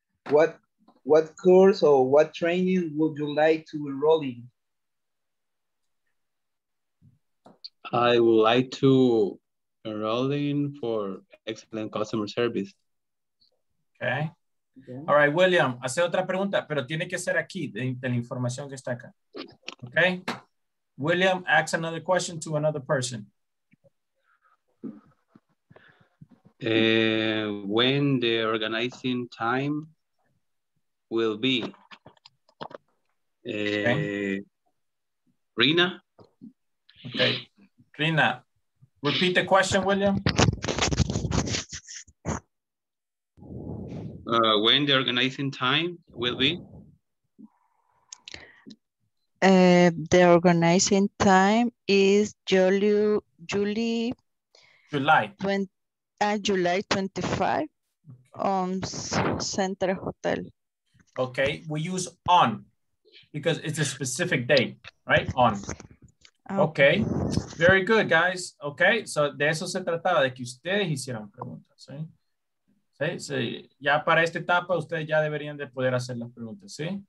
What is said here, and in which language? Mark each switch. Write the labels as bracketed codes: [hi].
[en] What course or what training would you like to enroll in? I would like to enroll in for excellent customer service. Okay. [es] All right, William, hace otra pregunta, pero tiene que ser aquí, de la información que está acá. [en] Okay. William, ask another question to another person. When the organizing time will be? Okay. Rina? Okay. Rina, repeat the question, William. When the organizing time will be? The organizing time is July. July 25 on Center Hotel. Okay, we use on because it's a specific date, right? On. Okay, very good, guys. [es] Okay, so de eso se trataba, de que ustedes hicieran preguntas, ¿sí? ¿Sí? Sí, ya para esta etapa ustedes ya deberían de poder hacer las preguntas, ¿sí?